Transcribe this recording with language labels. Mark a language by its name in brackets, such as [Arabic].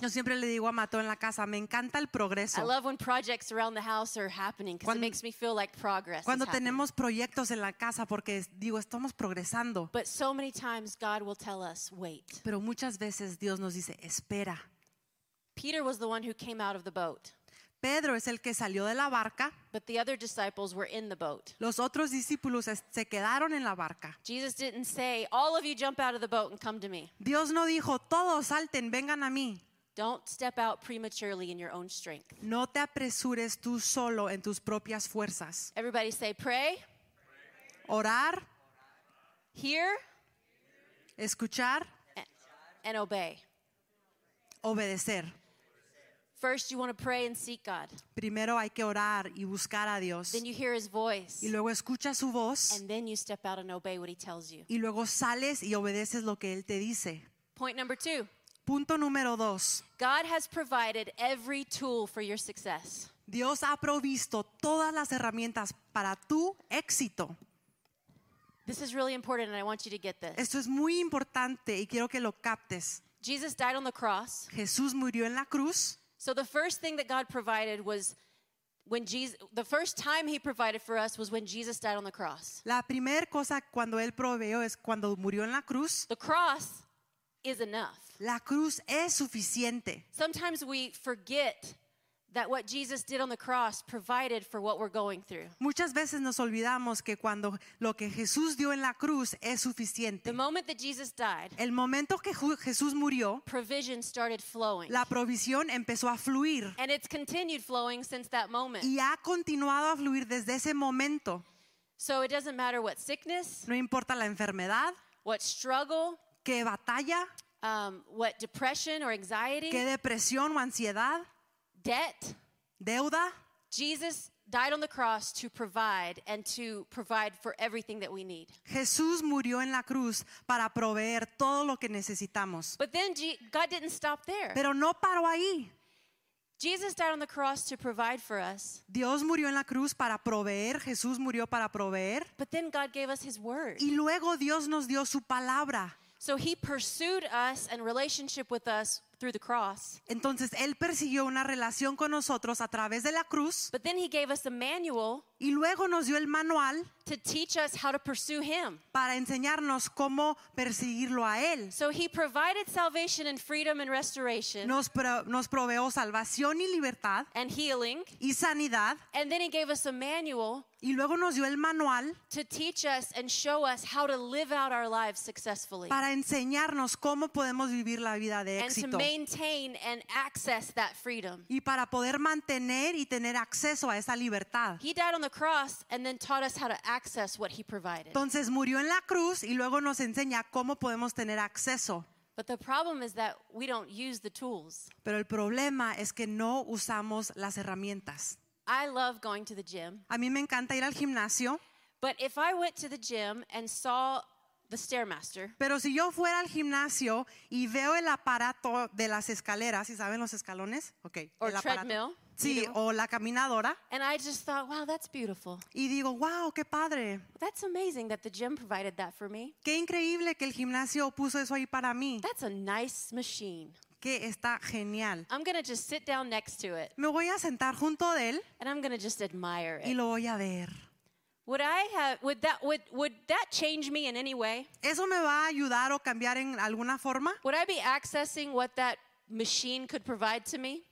[Spanish] Yo siempre le digo a Mato en la casa, me encanta el progreso. [English] I love when projects around the house are happening because it makes me feel like progress. [Spanish] Cuando tenemos proyectos en la casa porque digo estamos progresando. [English] But so many times God will tell us, wait. [Spanish] Pero muchas veces Dios nos dice, espera. [English] Peter was the one who came out of the boat. [Spanish] Pedro es el que salió de la barca. [English] But the other disciples were in the boat. [Spanish] Los otros discípulos se quedaron en la barca. [English] Jesus didn't say, all of you jump out of the boat and come to me. [Spanish] Dios no dijo, todos salten, vengan a mí. [English] Don't step out prematurely in your own strength. [Spanish] No te apresures tú solo en tus propias fuerzas. [English] Everybody say, pray. [Spanish] Orar. [English] Hear. [Spanish] Escuchar. [English] And obey. [Spanish] Obedecer. [English] First, you want to pray and seek God. [Spanish] Primero hay que orar y buscar a Dios. [English] Then you hear His voice. [Spanish] Y luego escuchas su voz. [English] And then you step out and obey what He tells you. [Spanish] Y luego sales y obedeces lo que Él te dice. [English] Point number two. [Spanish] Punto número dos. [English] God has provided every tool for your success. [Spanish] Dios ha provisto todas las herramientas para tu éxito. [English] This is really important, and I want you to get this. [Spanish] Esto es muy importante y quiero que lo captes. [English] Jesus died on the cross. [Spanish] Jesús murió en la cruz. [English] So the first thing that God provided was when Jesus, the first time He provided for us was when Jesus died on the cross. [Spanish] La primera cosa cuando Él proveyó es cuando murió en la cruz. [English] The cross is enough. [Spanish] La cruz es suficiente. [English] Sometimes we forget that what Jesus did on the cross provided for what we're going through. [Spanish] Muchas veces nos olvidamos que cuando lo que Jesús dio en la cruz es suficiente. [English] The moment that Jesus died, [Spanish] el momento que Jesús murió, [English] provision started flowing. [Spanish] La provisión empezó a fluir. [English] And it's continued flowing since that moment. [Spanish] Y ha continuado a fluir desde ese momento. [English] So it doesn't matter what sickness, [Spanish] no importa la enfermedad, [English] what struggle, [Spanish] qué batalla, [English] what depression or anxiety, [Spanish] qué depresión o ansiedad, [English] debt, [Spanish] deuda. [English] Jesus died on the cross to provide and to provide for everything that we need. [Spanish] Jesús murió en la cruz para proveer todo lo que necesitamos. [English] But then God didn't stop there. [Spanish] Pero no paró ahí. [English] Jesus died on the cross to provide for us. [Spanish] Dios murió en la cruz para proveer. Jesús murió para proveer. [English] But then God gave us His word. [Spanish] Y luego Dios nos dio su palabra. [English] So He pursued us and relationship with us through the cross. [Spanish] Entonces él persiguió una relación con nosotros a través de la cruz. [English] But then He gave us a manual. [Spanish] Y luego nos dio el manual [English] to teach us how to pursue Him. [Spanish] Para enseñarnos cómo perseguirlo a él. [English] So He provided salvation and freedom and restoration. [Spanish] Nos proveó salvación y libertad. [English] And healing. [Spanish] Y sanidad. [English] And then He gave us a manual. [Spanish] Y luego nos dio el manual [English] to teach us and show us how to live out our lives successfully. [Spanish] Para enseñarnos cómo podemos vivir la vida de éxito. [English] And to maintain and access that freedom. [Spanish] Y para poder mantener y tener acceso a esa libertad. [English] He died on the cross and then taught us how to access what He provided. [Spanish] Entonces murió en la cruz y luego nos enseña cómo podemos tener acceso. [English] But the problem is that we don't use the tools. [Spanish] Pero el problema es que no usamos las herramientas. [English] I love going to the gym. [Spanish] A mí me encanta ir al gimnasio. [English] But if I went to the gym and saw the Stairmaster. [Spanish] Pero si yo fuera al gimnasio y veo el aparato de las escaleras, ¿sí saben los escalones? [English] Okay, or [Spanish] el [English] treadmill. [Spanish] Aparato. Sí, o la caminadora. [English] And I just thought, wow, that's beautiful. [Spanish] Y digo, wow, qué padre. [English] That's amazing that the gym provided that for me. [Spanish] Qué increíble que el gimnasio puso eso ahí para mí. [English] That's a nice machine. [Spanish] Que está genial. [English] I'm going to just sit down next to it. [Spanish] Me voy a sentar junto de él. [English] And I'm going to just admire it. [Spanish] Y lo voy a ver. [English] Would that change me in any way? [Spanish] ¿Eso me va a ayudar o cambiar en alguna forma? [English] Would I be accessing what that machine could provide to me?